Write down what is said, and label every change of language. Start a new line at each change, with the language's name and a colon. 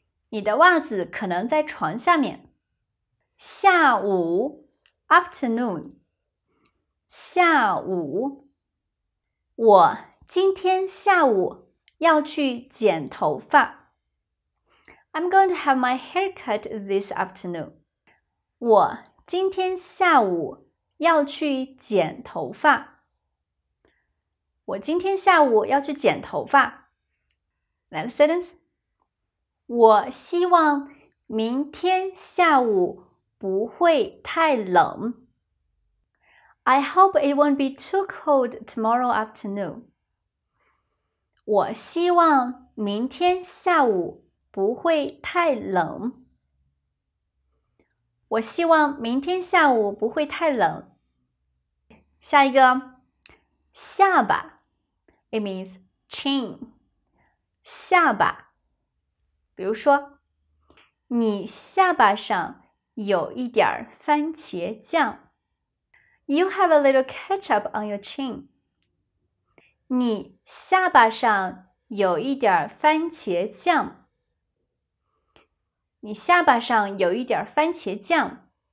Chinese: 你的袜子可能在床下面。下午
English: ,afternoon.
Chinese: 下午。我今天下午要去剪头发。
English: I'm going to have my haircut this afternoon.
Chinese: 我今天下午要去剪头发。我今天下午要去剪头发。
English: Next sentence.
Chinese: 我希望明天下午不会太冷。
English: I hope it won't be too cold tomorrow afternoon.
Chinese: 我希望明天下午不会太冷。我希望明天下午不会太冷。下一个，下吧。
English: It means chin.
Chinese: 下吧。比如说，你下巴上有一点番茄酱。
English: You have a little ketchup on your chin.
Chinese: 你下巴上有一点番茄酱。你下巴上有一点番茄酱。